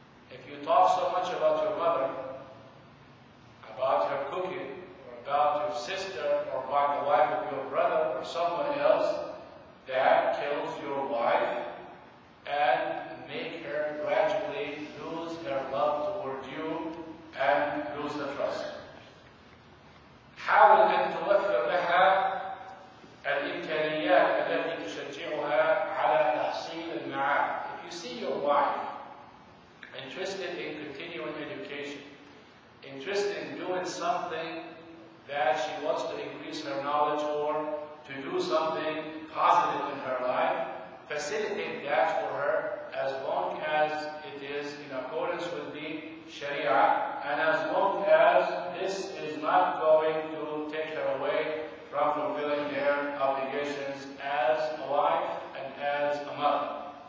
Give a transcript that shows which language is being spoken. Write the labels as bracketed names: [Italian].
[English] If you talk so much about your mother, about her cooking, or about your sister, or about the wife of your brother, or someone else, that kills your wife and make her gradually lose her love toward you and lose the trust. [Arabic] حاول أن توفر لها الإمكانيات التي تشجعها على تحصيل المعاد. [English] If you see your wife interested in continuing education, interested in doing something that she wants to increase her knowledge for, to do something positive in her life, facilitate that for her as long as it is in accordance with the Sharia, and as long as this is not going to take her away from fulfilling their obligations as a wife and as a mother.